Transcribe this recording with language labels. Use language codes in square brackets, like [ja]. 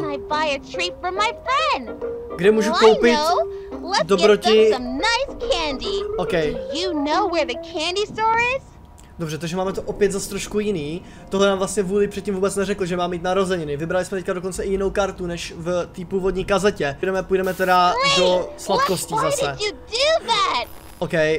[en] Can I buy a treat for my friend? [cs] Kde můžu koupit dobroti... [en] OK. Do you know where the candy store is? [cs] Dobře, takže máme to opět zase trošku jiný. Tohle nám vlastně Vůli předtím vůbec neřekl, že má mít narozeniny. Vybrali jsme teďka dokonce i jinou kartu, než v té původní kazetě. Půjdeme teda do sladkostí zase. OK.